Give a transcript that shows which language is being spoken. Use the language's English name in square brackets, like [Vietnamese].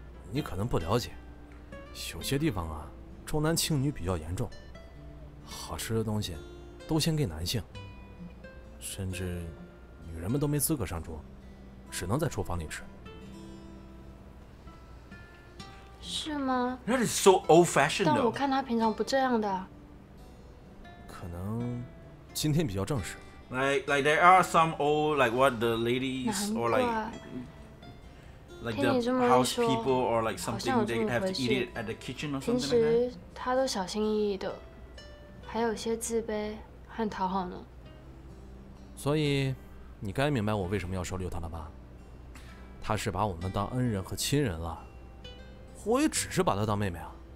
[Chinese] 你可能不了解，有些地方啊，重男轻女比较严重，好吃的东西都先给男性，甚至女人们都没资格上桌，只能在厨房里吃。是吗 [English] ？That is so old fashioned. [Chinese] 但我看他平常不这样的。可能今天比较正式。 [English] Like there are some old like what the ladies or like. Like the house people or like something, they have to eat it at the kitchen or something like that. [Chinese] 平时他都小心翼翼的，还有些自卑和讨好呢。所以，你该明白我为什么要收留他了吧？他是把我们当恩人和亲人了，我也只是把他当妹妹啊。